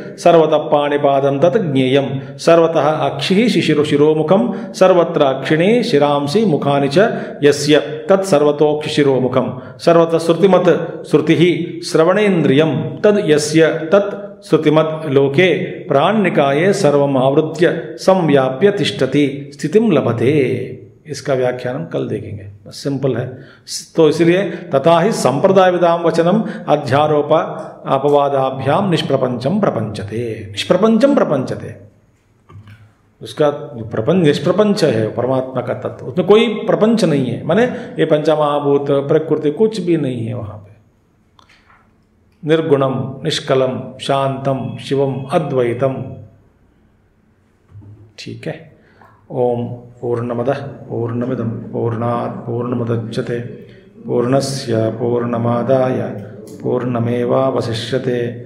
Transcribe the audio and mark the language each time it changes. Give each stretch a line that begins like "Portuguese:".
Sanskrit: सर्वतः पाणिपादं तत् ज्ञेयम् सर्वतः अक्षिः शिशिरो शिरोमुखम् सर्वत्र अक्षिणे शिरांसि मुखानि च यस्य तत् सर्वतोऽक्षिशिरोमुखम् सर्वतः श्रुतिमत् श्रुतिः श्रवणेन्द्रियम् तद् यस्य तत् श्रुतिमत् लोके प्राणनिकाये सर्वम् आवृत्य संव्याप्य तिष्ठति स्थितिम् लभते।
Hindi: इसका व्याख्यान हम कल देखेंगे, बस सिंपल है। तो इसलिए
Sanskrit: तथा ही संप्रदाय विदाम वचनम अध्यारोप अपवादाभ्याम निष्प्रपंचम प्रपंचते,
Hindi: निष्प्रपंचम प्रपंचते, उसका प्रपंच निष्प्रपंच है परमात्मा का तत्व, उसमें कोई प्रपंच नहीं है, माने ये पंचमहाभूत प्रकृति कुछ भी नहीं है, वहां पर
Sanskrit: निर्गुणम निष्कलम शांतम शिवम अद्वैतम।
Hindi: ठीक है,
Sanskrit: ओम पूर्णमदः पूर्णमिदं पूर्णात् पूर्णमुदच्यते पूर्णस्य पूर्णमादाय पूर्णमेवावशिष्यते।